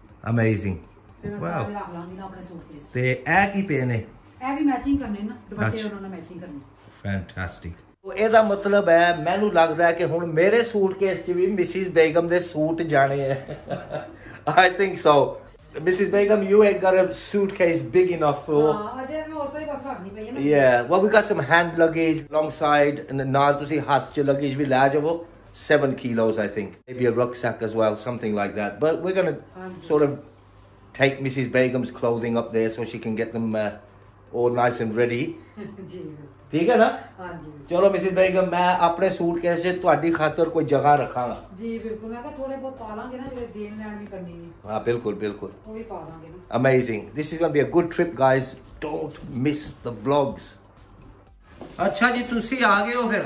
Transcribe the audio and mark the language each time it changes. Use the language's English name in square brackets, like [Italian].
[English] amazing [Punjabi] wow ਸਾਰੇ ਰੱਖ ਲਾਂਗੇ ਨਾ ਆਪਣੇ ਸੂਟਕੇਸ ਤੇ ਇਹ ਕੀ ਪਏ ਨੇ ਇਹ ਵੀ ਮੈਚਿੰਗ ਕਰਨੇ ਨਾ ਦੁਪੱਟੇ ਉਹਨਾਂ ਨਾਲ ਮੈਚਿੰਗ ਕਰਨੇ ਫੈਂਟਾਸਟਿਕ ਇਹਦਾ ਮਤਲਬ ਹੈ ਮੈਨੂੰ ਲੱਗਦਾ ਕਿ ਹੁਣ ਮੇਰੇ ਸੂਟਕੇਸ 'ਚ ਵੀ ਮਿਸਿਸ ਬੇਗਮ ਦੇ ਸੂਟ ਜਾਣੇ ਹੈ [English] I think so [Punjabi] Mrs. [English] Begum, you ain't got a suitcase big enough for. [Punjabi] Haan, ajay main usse hi bas rakhni payi na. [English] Yeah, well we got some hand luggage alongside and the [Punjabi] naal tusi hath ch luggage vi lae javo [English] 7 kilos I think. Maybe a rucksack as well, something like that. But we're going to sort of take Mrs. Begum's clothing up there so she can get them all nice and ready. [Punjabi] Ji. ਠੀਕ ਹੈ ਨਾ ਹਾਂਜੀ ਚਲੋ Mrs Begum ਮੈਂ ਆਪਣੇ suitcase 'ਚ ਤੁਹਾਡੀ ਖਾਤਰ ਕੋਈ ਜਗ੍ਹਾ ਰੱਖਾਂਗਾ ਜੀ ਬਿਲਕੁਲ ਮੈਂ ਕਿਹਾ ਥੋੜੇ ਬਹੁਤ ਪਾ ਲਾਂਗੇ ਨਾ ਜਿਹੜੇ ਦੇਣ ਲੈਣ ਵੀ ਕਰਨੀ ਨਹੀਂ ਹਾਂ ਬਿਲਕੁਲ ਬਿਲਕੁਲ ਉਹ ਵੀ ਪਾ ਦਾਂਗੇ ਨਾ [English] amazing this is going be a good trip guys don't miss the vlogs [Punjabi] ਅੱਛਾ ਜੀ ਤੁਸੀਂ ਆ ਗਏ ਹੋ ਫਿਰ